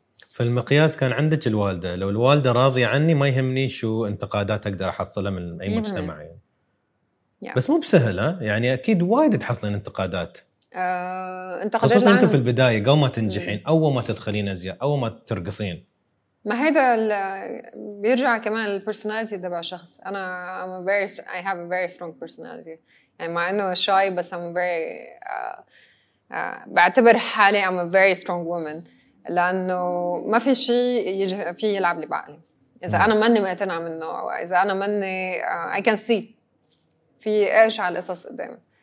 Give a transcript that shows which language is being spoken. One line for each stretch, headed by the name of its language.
Arabic: فالمقياس كان عندك الوالدة لو الوالدة راضية عني ما يهمني شو انتقادات أقدر أحصلها من أي مجتمع يعني. Yeah. بس مو بسهل ها؟ يعني أكيد وايد تحصلين انتقادات. انتقادات خصوصاً أنت في البداية قبل ما تنجحين أول ما تدخلين أزياء أول ما ترقصين. ما هيدا بيرجع كمان للبرسوناليتي تبع الشخص.
English: أنا I'm a very I have a very strong personality.
Arabic: يعني مع إنه شاي بس
English: I'm very
Arabic: بعتبر حالي
English: I'm a very strong woman
Arabic: لأنه ما في شيء في يلعب لي بعقلي. إذا أنا ماني مقتنعة منه أو إذا أنا ماني
English: I can see
Arabic: في إيش على القصص قدامي.